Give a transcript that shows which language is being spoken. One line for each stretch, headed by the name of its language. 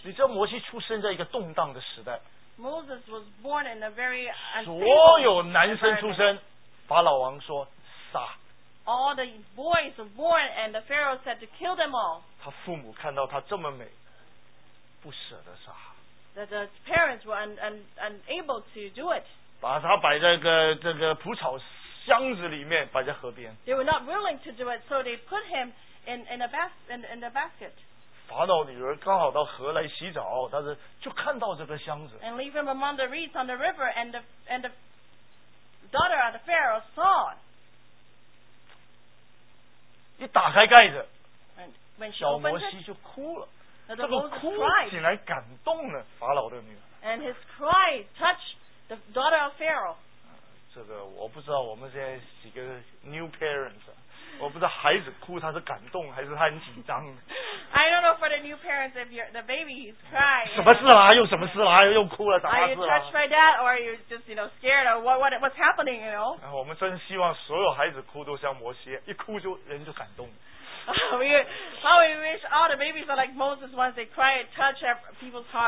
Chinese: 你知道摩西出生在一个动荡的时代。
English: Moses was born in a very unstable.
Chinese: 所有男生出生，法老王说杀。
English: All the boys were born, and the Pharaoh said to kill them all.
Chinese: 他父母看到他这么美，不舍得杀。
English: That the parents were unable to do it.
Chinese: 把它摆在这个蒲草箱子里面，摆在河边。
English: They were not willing to do it, so they put him in the basket.
Chinese: 法老女儿刚好到河来洗澡，但是就看到这个箱子。
English: And leave him among the reeds on the river, and the daughter of the Pharaoh saw it.
Chinese: 一打开盖子，
English: when she
Chinese: 小摩西就哭了。这个哭竟然感动了法老的女儿。
English: And his cry touched the daughter of Pharaoh.
Chinese: 这个我不知道，我们现在几个 new parents， 我不知道孩子哭他是感动还是他很紧张。
English: I don't know for the new parents if the baby is crying.
Chinese: 什么事啦？又什么事啦？又哭了，咋回事？
English: Are you touched by that, or are you just scared, or what's happening? You know?
Chinese: 我们真希望所有孩子哭都像摩西，一哭就人就感动。
English: we wish all the babies are like Moses once they cry and touch people's hearts.